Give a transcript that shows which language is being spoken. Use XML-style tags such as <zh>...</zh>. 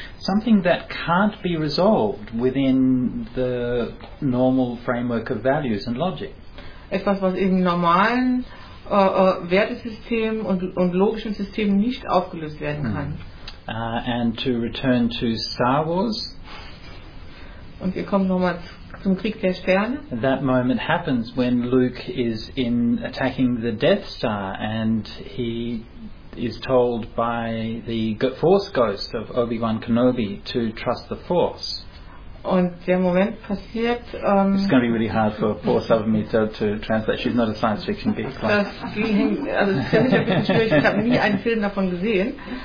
<en>Something that can't be resolved within the normal framework of values and logic.</en> <de>Etwas, was im normalen Wertesystem und logischen System nicht aufgelöst werden kann.</de> <en>And to return to Star Wars.</en> <de>Und wir kommen nochmal zum Krieg der Sterne.</de> <en>That moment happens when Luke is in attacking the Death Star and he is told by the Force Ghost of Obi-Wan Kenobi to trust the Force.</en> <de>Und der Moment passiert.</de> <en>It's going to be really hard for poor Savamita to translate. She's not a science fiction geek.</en> <de>Das ging, also es ist ein bisschen schwierig. Ich habe nie einen Film davon gesehen.</de>